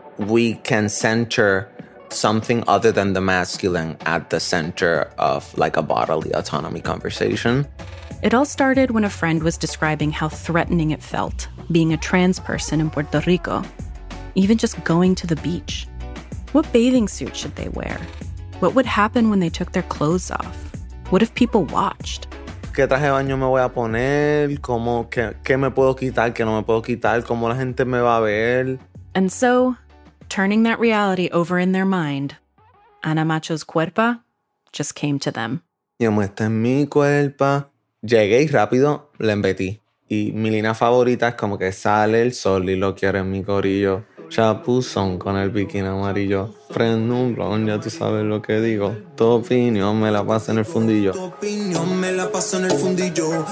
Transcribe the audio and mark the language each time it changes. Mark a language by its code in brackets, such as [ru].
[en] We can center something other than the masculine at the center of like a bodily autonomy conversation. It all started when a friend was describing how threatening it felt being a trans person in Puerto Rico. Even just going to the beach. What bathing suit should they wear? What would happen when they took their clothes off? What if people watched? [es] ¿Qué traje de baño me voy a poner? ¿Cómo, qué me puedo quitar? ¿Qué no me puedo quitar? ¿Cómo la gente me va a ver? [en] And so, turning that reality over in their mind, Ana Macho's cuerpa just came to them. [es] Yo muestré mi cuerpa. Llegué y rápido le embetí. Y mi línea favorita es como que sale el sol y lo quiero en mi corillo. Chapuzón con el bikini amarillo. Prendo un blon, ya tú sabes lo que digo. Tu opinión me la paso en el fundillo. Tu opinión me la paso en el fundillo.